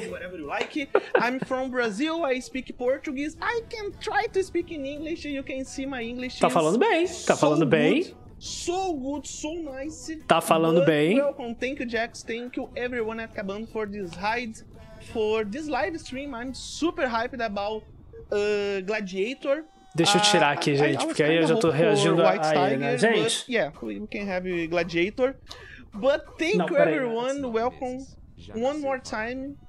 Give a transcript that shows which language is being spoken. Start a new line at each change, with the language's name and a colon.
English: Whatever you like. I'm from Brazil. I speak Portuguese. I can try to speak in English. You can see my English.
Portuguese: Tá falando bem. Tá falando bem.
English: So good, so nice.
Portuguese: Tá falando
English: good.
Portuguese: Bem.
English: Welcome, thank you, Jax. Thank you, everyone at Kabam for this live stream. I'm super hyped about Gladiator.
Portuguese: Deixa eu tirar aqui, gente, porque aí eu já tô reagindo a ele, né? Gente.
English: Yeah, we can have Gladiator. But thank you everyone, welcome one more time.